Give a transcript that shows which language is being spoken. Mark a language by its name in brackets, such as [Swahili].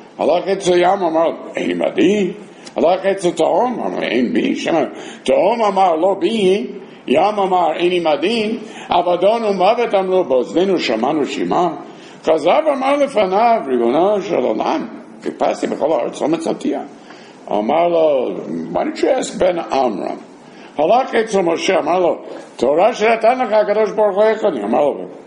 [Hebrew] הלך אצל ים, אמר לו, אין מדי. הלך אצל תאום, אמר לו, אין בי. תאום אמר, לא בי. ים אמר, איני מדין, אבדון ומוות אמרו, באוזנינו שמענו שימה. חזב אמר לפניו, ריבונו של עולם, חיפשתי בכל הארץ, לא מצאתיה. אמר לו, [English] why don't you ask בן עמרם? [Hebrew] הלך אצל משה, אמר לו, תורה שנתן לך, הקדוש ברוך הוא, איך אני? אמר לו,